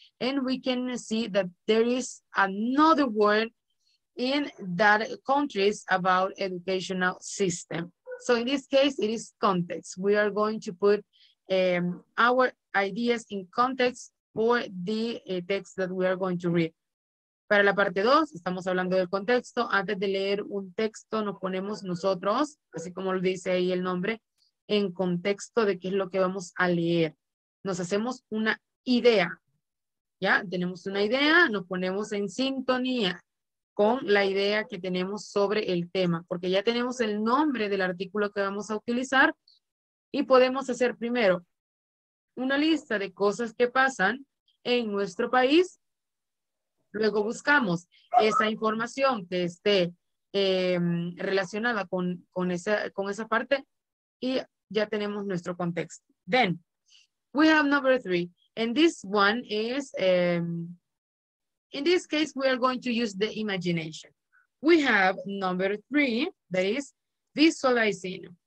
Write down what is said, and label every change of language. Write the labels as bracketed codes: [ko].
[en] And we can see that there is another word in that countries about educational system. So in this case, it is context. We are going to put our ideas in context for the text that we are going to read. [es] Para la parte 2, estamos hablando del contexto. Antes de leer un texto, nos ponemos nosotros, así como lo dice ahí el nombre, en contexto de qué es lo que vamos a leer. Nos hacemos una idea. Ya tenemos una idea, nos ponemos en sintonía con la idea que tenemos sobre el tema, porque ya tenemos el nombre del artículo que vamos a utilizar y podemos hacer primero una lista de cosas que pasan en nuestro país. Luego buscamos esa información que esté relacionada con esa parte y ya tenemos nuestro contexto. [en] Then, we have number 3. And this one is, in this case, we are going to use the imagination. We have number 3, that is visualizing.